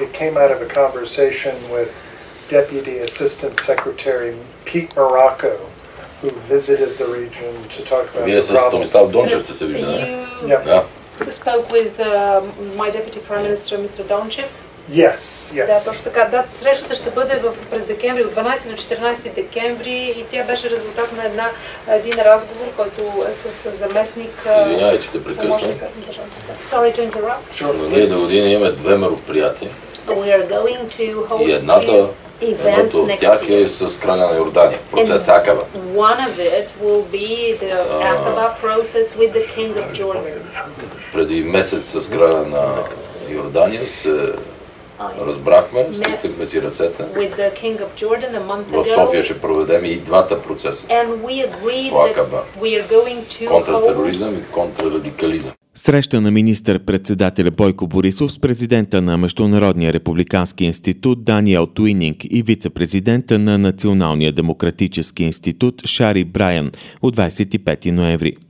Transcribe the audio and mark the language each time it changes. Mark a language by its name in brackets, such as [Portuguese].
[English] It came out of a conversation with Deputy Assistant Secretary Pete Morocco, who visited the region to talk about the problem. Spoke with my Deputy Prime Minister, Mr. Doncic. Yes, yes. [Bulgarian] Да, точно така. Да, срещата ще бъде през декември, от 12 до 14 декември и тя беше резултат на един разговор, който е с заместник... Извинявай, че те прекъсвам. [English] Sorry to interrupt. Sure, please. [Bulgarian] Ние до година имаме две мероприятия. [English] We are going to host [Bulgarian] и едната, едното от тях е с краля на Йордания, процес Акаба. [English] One of it will be the Akaba process with the King of Jordan. [Bulgarian] Преди месец с краля на Йордания се... Разбрахме, стиснахме си ръцете. [English] With the King of Jordan a month ago. [Bulgarian] В София ще проведем и двата процеса. [English] And we agreed that we are going to [Bulgarian] контратероризъм и контрарадикализъм. Среща на министър-председателя Бойко Борисов с президента на Международния републикански институт Даниел Туининг и вице-президента на Националния демократически институт Шари Брайан от 25 ноември.